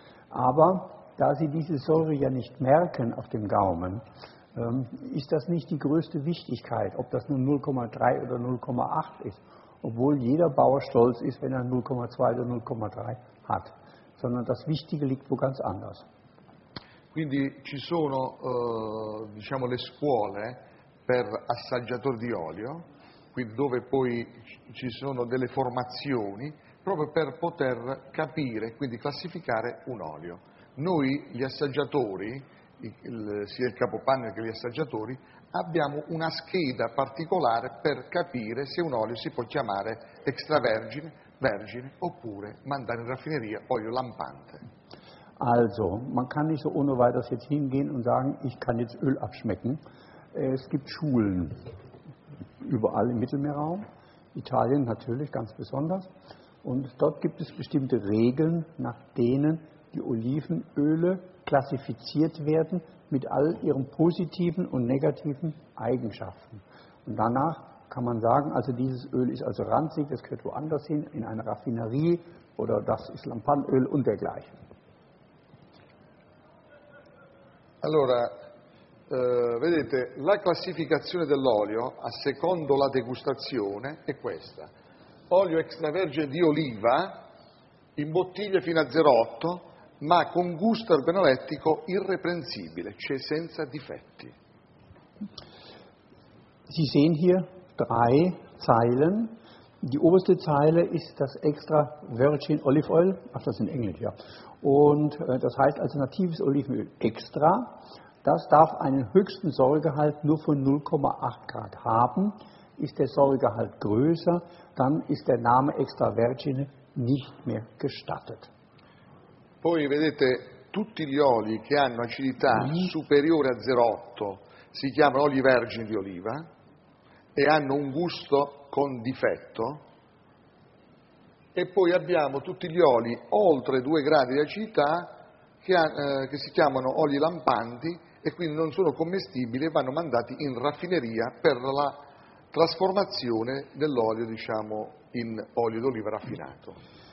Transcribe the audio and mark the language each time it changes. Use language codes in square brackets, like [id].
[de] Aber da Sie diese Säure ja nicht merken auf dem Gaumen, ist das nicht die größte Wichtigkeit, ob das nun 0,3 oder 0,8 ist, obwohl jeder Bauer stolz ist, wenn er 0,2 oder 0,3 hat, sondern das Wichtige liegt wo ganz anders. [it] Quindi ci sono, diciamo, le scuole per assaggiatori di olio, quindi dove poi ci sono delle formazioni proprio per poter capire, quindi classificare un olio. Noi gli assaggiatori, sia il capopanne che gli assaggiatori, abbiamo una scheda particolare per capire se un olio si può chiamare extravergine, vergine oppure mandare in raffineria olio lampante. [de] Also, man kann nicht so ohne weiteres jetzt hingehen und sagen, ich kann jetzt Öl abschmecken. Es gibt Schulen überall im Mittelmeerraum, Italien natürlich ganz besonders. Und dort gibt es bestimmte Regeln, nach denen die Olivenöle klassifiziert werden mit all ihren positiven und negativen Eigenschaften. Und danach kann man sagen, also dieses Öl ist also ranzig, das gehört woanders hin, in eine Raffinerie oder das ist Lampanöl und dergleichen. [it] Allora, vedete, la classificazione dell'olio, a secondo la degustazione, è questa. Olio extravergine di oliva, in bottiglia fino a 0,8, ma con gusto organolettico irreprensibile, cioè senza difetti. [de] Sie sehen hier drei Zeilen. Die oberste Zeile ist das extra virgin olive oil, ach das ist in Englisch, ja. Und das heißt als natives Olivenöl extra, das darf einen höchsten Säuregehalt nur von 0,8 Grad haben. Ist der Säuregehalt größer, dann ist der Name extra vergine nicht mehr gestattet. [it] Poi vedete, tutti gli oli che hanno acidità superiore a 0,8 si chiamano oli vergini di oliva e hanno un gusto con difetto. E poi abbiamo tutti gli oli oltre 2 gradi di acidità che si chiamano oli lampanti e quindi non sono commestibili e vanno mandati in raffineria per la trasformazione dell'olio, diciamo, in olio d'oliva raffinato.